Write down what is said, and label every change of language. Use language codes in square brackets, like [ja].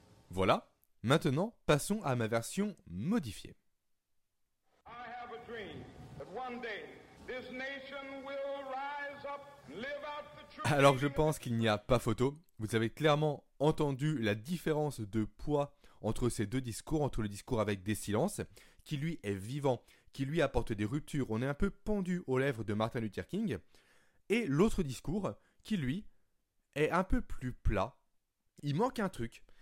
[fr] Voilà, maintenant passons à ma version modifiée. [en] I have a dream that one day this nation will rise up and live out the truth. [fr] Alors je pense qu'il n'y a pas photo. Vous avez clairement entendu la différence de poids entre ces deux discours, entre le discours avec des silences, qui lui est vivant, qui lui apporte des ruptures, on est un peu pendu aux lèvres de Martin Luther King, et l'autre discours qui lui est un peu plus plat. Il manque un truc.